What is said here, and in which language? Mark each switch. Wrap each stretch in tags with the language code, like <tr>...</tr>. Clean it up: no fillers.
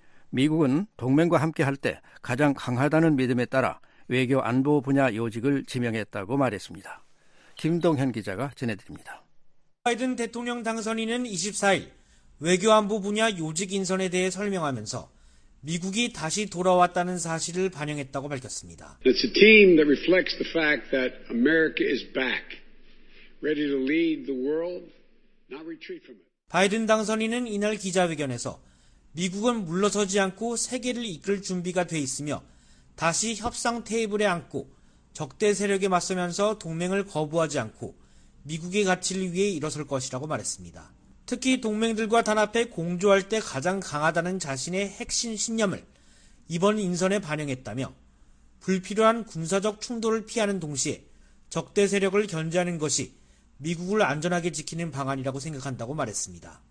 <ko>미국은 동맹과 함께할 때 가장 강하다는 믿음에 따라 외교 안보 분야 요직을 지명했다고 말했습니다. 김동현 기자가 전해드립니다. 바이든 대통령 당선인은 24일 외교 안보 분야 요직 인선에 대해 설명하면서 미국이 다시 돌아왔다는 사실을 반영했다고 밝혔습니다.</ko> <en>It's a team that reflects the fact that America is back, ready to lead the world, not retreat from it.</en> <ko>바이든 당선인은 이날 기자회견에서 미국은 물러서지 않고 세계를 이끌 준비가 돼 있으며 다시 협상 테이블에 앉고 적대 세력에 맞서면서 동맹을 거부하지 않고 미국의 가치를 위해 일어설 것이라고 말했습니다. 특히 동맹들과 단합해 공조할 때 가장 강하다는 자신의 핵심 신념을 이번 인선에 반영했다며 불필요한 군사적 충돌을 피하는 동시에 적대 세력을 견제하는 것이 미국을 안전하게 지키는 방안이라고 생각한다고 말했습니다.</ko>